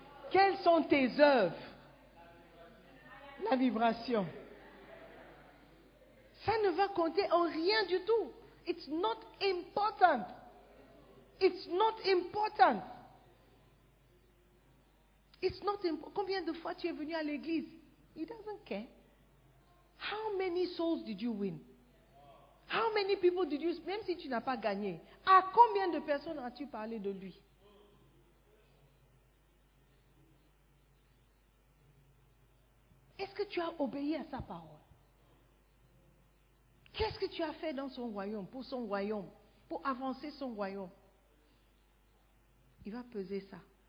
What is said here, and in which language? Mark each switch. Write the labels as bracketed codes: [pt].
[fr] Quelles sont tes œuvres? La vibration. Ça ne va compter en rien du tout. [en] It's not important. It's not important. It's not important. [fr] Combien de fois tu es venu à l'église? [en] He doesn't care. How many souls did you win? How many people did you, [fr] même si tu n'as pas gagné, à combien de personnes as-tu parlé de lui? Est-ce que tu as obéi à sa parole? Qu'est-ce que tu as fait dans son royaume, pour son royaume, pour avancer son royaume? Il va peser ça.